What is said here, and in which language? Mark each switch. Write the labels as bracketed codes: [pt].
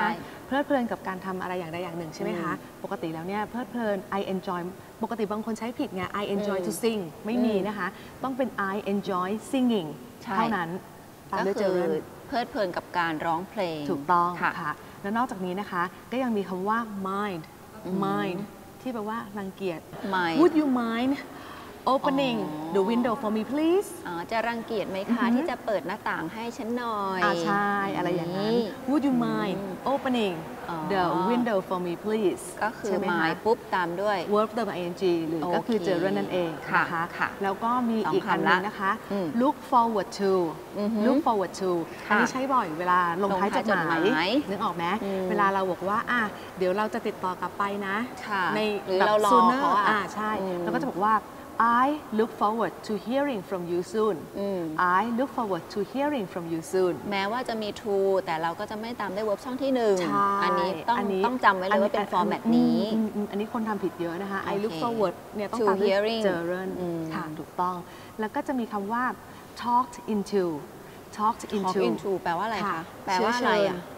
[th] เพลิดเพลินกับการทำอะไรอย่างใดอย่างหนึ่งใช่ไหมคะปกติแล้วเนี่ยเพลิดเพลิน [en] I enjoy [th] ปกติบางคนใช้ผิดไง [en] I enjoy to sing [th] ไม่มีนะคะต้องเป็น [en] I enjoy singing [th] เท่ านั้น ก็คือเพลิดเพลินกับการร้องเพลง ถูกต้องค่ะแล้วนอกจากนี้นะคะก็ยังมีคำว่า mind mind ที่แปลว่ารังเกียจ [en] mind would you mind opening the window for me please [th] จะรังเกียจไหมคะที่จะเปิดหน้าต่างให้ฉันหน่อย ใช่อะไรอย่างนั้น [en] would you mind opening the window for me please [th] ก็คือ mind ปุ๊บตามด้วย verb the ing หรือก็คือเจอเรื่องนั่นเอง ค่ะค่ะ แล้วก็มีอีกอันนึงนะคะ [en] look forward to [th] อันนี้ใช้บ่อยเวลาลงท้ายจดหมายนึกออกไห ม เวลาเราบอกว่าอ่ะเดี๋ยวเราจะติดต่อกลับไปน ะ ใน แบบ [en] sooner [th] ใช่แล้วก็จะบอกว่า [en] I look forward to hearing from you soon. I look forward to hearing from you soon. [th] แม้ว่าจะมี to แต่เราก็จะไม่ตามด้วย verb ช่องที่หนึ่ง อันนี้ ต้องจำไว้เลยว่าเป็น format นี้อันนี้คนทำผิดเยอะนะคะ okay. [en] I look forward [th] เนี่ยต้องตามด้วย gerund ค่ะถูกต้องแล้วก็จะมีคำว่า talked into talked into แปลว่าอะไรคะแปลว่าอะไรอะ